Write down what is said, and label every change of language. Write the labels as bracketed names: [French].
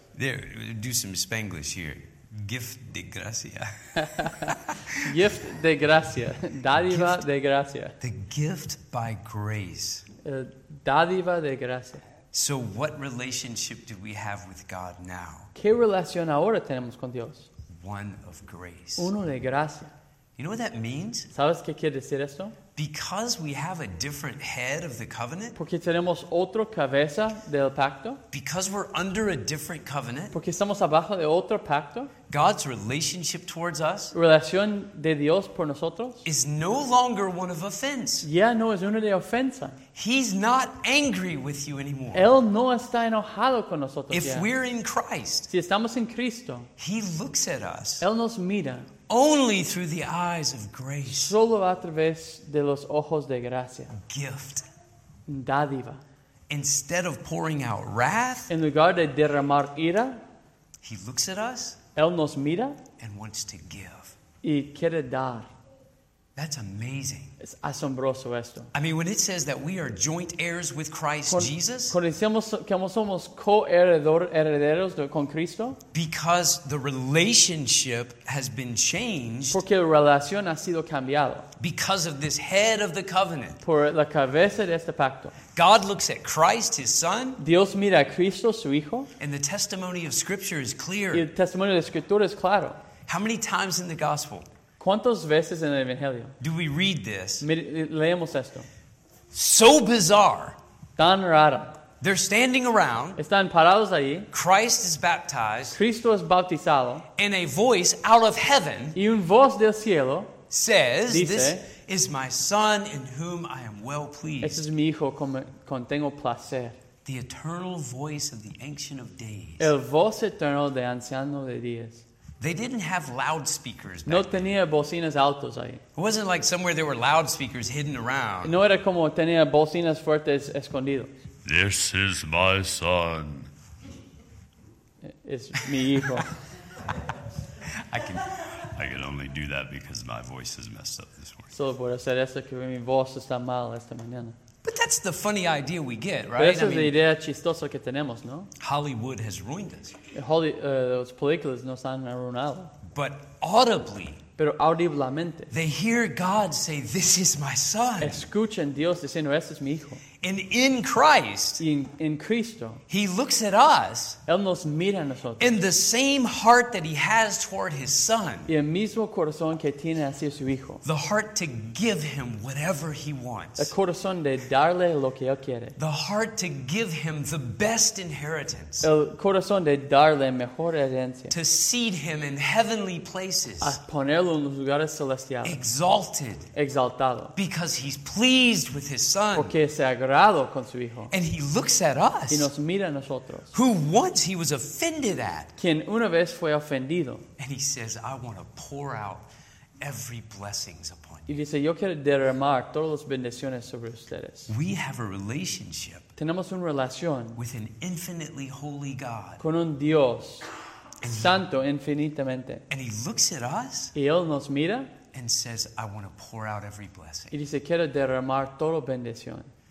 [English] There, do some Spanglish here. [Spanish] Gift de gracia. Gift de gracia. Dádiva gift, de gracia. [English] The gift by grace. [Spanish] Dádiva de gracia. [English] So what relationship do we have with God now? [Spanish] ¿Qué relación ahora tenemos con Dios? [English] One of grace. [Spanish] Uno de gracia. [English] You know what that means? [Spanish] ¿Sabes qué quiere decir esto? [English] Because we have a different head of the covenant. [Spanish] Porque tenemos otro cabeza del pacto. [English] Because we're under a different covenant. [Spanish] Porque estamos abajo de otro pacto. [English] God's relationship towards us. [Spanish] Relación de Dios por nosotros. [English] Is no longer one of offense. [Spanish] Ya no es una de ofensa. [English] He's not angry with you anymore. [Spanish] Él no está enojado con nosotros. [English] If we're in Christ. [Spanish] Si estamos en Cristo. [English] He looks at us. [Spanish] Él nos mira. [English] Only through the eyes of grace. [Spanish] Solo a través de los ojos de gracia. [English] Gift. [Spanish] Dádiva. [English] Instead of pouring out wrath. [Spanish] En lugar de derramar ira. [English] He looks at us. [Spanish] Él nos mira. [English] And wants to give. [Spanish] Y quiere dar. [English] That's amazing. [Spanish] Es asombroso esto. [English] I mean, when it says that we are joint heirs with Christ Jesus. [Spanish] Cuando decimos que somos herederos con Cristo. [English] Because the relationship has been changed. [Spanish] Porque la relación ha sido cambiada. [English] Because of this head of the covenant. [Spanish] Por la cabeza de este pacto. [English] God looks at Christ, his son. [Spanish] Dios mira a Cristo, su hijo. [English] And the testimony of Scripture is clear. [Spanish] Y el testimonio de la Escritura es claro. [English] How many times in the gospel? [Spanish] ¿Cuántas veces en el Evangelio? [English] Do we read this? [Spanish] Leemos esto. [English] So bizarre. [Spanish] Tan raro. [English] They're standing around. [Spanish] Están parados allí. [English] Christ is baptized. [Spanish] Cristo es bautizado. [English] And a voice out of heaven. [Spanish] Y un voz del cielo. [English] Says, [Spanish] dice, [English] this is my son in whom I am well pleased. [Spanish] Este es mi hijo con tengo placer. [English] The eternal voice of the Ancient of Days. [Spanish] El voz eterno de Anciano de Días. [English] They didn't have loudspeakers back [Spanish] No tenía bocinas altos ahí. [English] It wasn't like somewhere there were loudspeakers hidden around. [Spanish] No era como tenía bocinas fuertes escondidos. [English] This is my son. [Spanish] Es mi hijo. [English] I can only do that because my voice is messed up this morning. [Spanish] Solo puedo hacer eso porque mi voz está mal esta mañana. [English] But that's the funny idea we get, right? [Spanish] Pero esa es la idea chistosa que tenemos, ¿no? [English] Hollywood has ruined us. [Spanish] Las películas nos han arruinado. [English] But audibly. [Spanish] Pero audiblemente. [English] They hear God say, this is my son. [Spanish] Escuchan Dios diciendo, este es mi hijo. [English] And in Christ, in Cristo, he looks at us, [Spanish] él nos mira a nosotros, [English] in the same heart that he has toward his son, [Spanish] y el mismo corazón que tiene hacia su hijo, [English] the heart to give him whatever he wants, [Spanish] el corazón de darle lo que él quiere, [English] the heart to give him the best inheritance, [Spanish] el corazón de darle mejor herencia, [English] to seed him in heavenly places, [Spanish] a ponerlo en los lugares celestiales, [English] exalted, [Spanish] exaltado, [English] because he's pleased with his son. [Spanish] Porque se agrado con su hijo. [English] And he looks at us. [Spanish] Y nos mira a nosotros. [English] Who once he was offended at. [Spanish] Quien una vez fue ofendido. [English] And he says, I want to pour out every blessing upon you. [Spanish] Y dice, yo quiero derramar todas las bendiciones sobre ustedes. [English] We have a relationship. [Spanish] Tenemos una relación. [English] With an infinitely holy God. [Spanish] Con un Dios. And santo infinitamente. [English] And he looks at us. [Spanish] Y él nos mira. [English] And says, I want to pour out every blessing. [Spanish] Y dice, quiero derramar toda bendición.